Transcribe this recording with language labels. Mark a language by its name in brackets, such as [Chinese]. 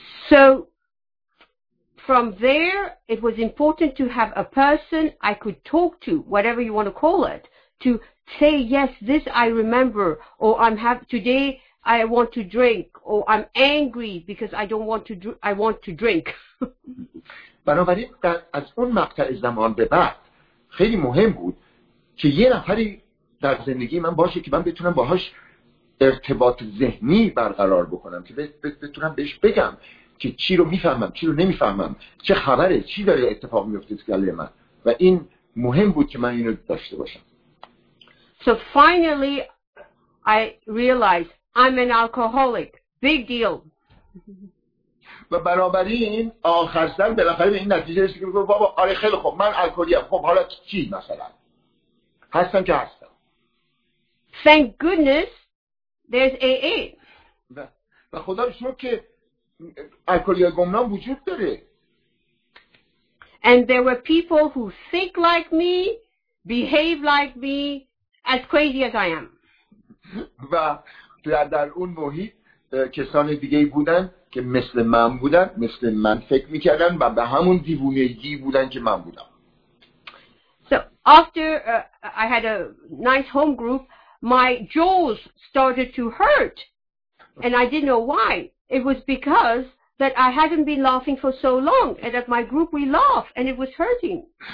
[English] So from there it was important to have a person I could talk to, whatever you want to call it, to say yes, this I remember, or I'm have today I want to drink, or I'm angry because I don't want to I want to drink. [Persian] بنابراین از اون مقطع زمان به بعد خیلی مهم بود که یه نفری در زندگی من باشه که من بتونم باهاش ارتباط ذهنی برقرار بکنم که بتونم بهش بگم که چی رو میفهمم چی رو نمیفهمم چه خبره چی داره اتفاق میفته تو گلوی من و این مهم بود که من اینو داشته باشم. [English] So finally I realized I'm an alcoholic. Big deal. [Persian] و بنابراین آخر سر بالاخره به این نتیجه رسید که بابا آره خیلی خوب من الکلیم خب حالا چی مثلا هستم که هستم. [English] Thank goodness there's AA. [Persian] و خدا رو شکر که الکلی گمنام وجود داره. [English] And there were people who think like me, behave like me, as crazy as I am. [Persian] و در اون محیط کسان دیگه بودن که مثل من بودن مثل من فکر میکردن و به همون دیوونگی بودن که من بودم. [English] So after I had a nice home group, my jaws started to hurt and I didn't know why. It was because that I hadn't been laughing for so long and at my group we laugh and it was hurting.